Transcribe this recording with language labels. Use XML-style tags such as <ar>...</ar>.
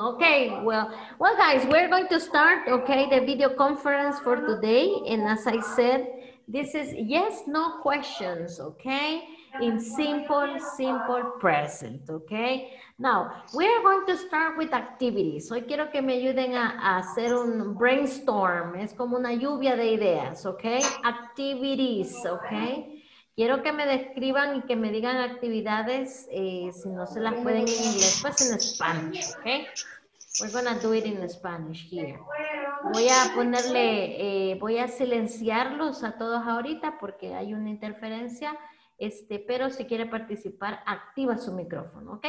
<en>Okay, well, guys, we're going to start, okay, the video conference for today. And as I said, this is yes, no questions, okay? In simple, simple present, okay? Now, we are going to start with activities.</en> <es>Hoy quiero que me ayuden a hacer un brainstorm. Es como una lluvia de ideas, okay? Activities, okay? Quiero que me describan y que me digan actividades, si no se las pueden en inglés, pues en Spanish, okay?</es> <en>We're going to do it in Spanish here.</en> <es>Voy a ponerle, voy a silenciarlos a todos ahorita porque hay una interferencia. pero si quiere participar, activa su micrófono, ¿ok?</es>